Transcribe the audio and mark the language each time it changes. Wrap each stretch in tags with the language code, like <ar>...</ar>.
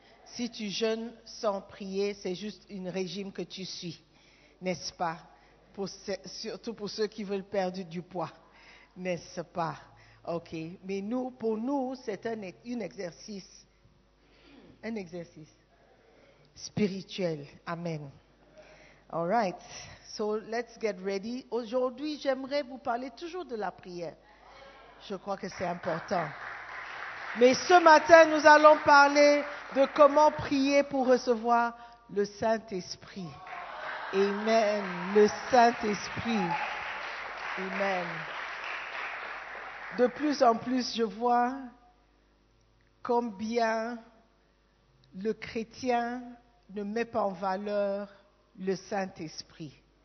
<fr>Si tu jeûnes sans prier, c'est juste un régime que tu suis, n'est-ce pas? Surtout pour ceux qui veulent perdre du poids, n'est-ce pas? Ok, mais nous, pour nous, c'est un exercice spirituel. Amen.</fr> <en>All right, so let's get ready.</en> <fr>Aujourd'hui, j'aimerais vous parler toujours de la prière. Je crois que c'est important. Mais ce matin, nous allons parler de comment prier pour recevoir le Saint-Esprit. Amen. Le Saint-Esprit. Amen. De plus en plus, je vois combien le chrétien ne met pas en valeur le Saint-Esprit.</fr>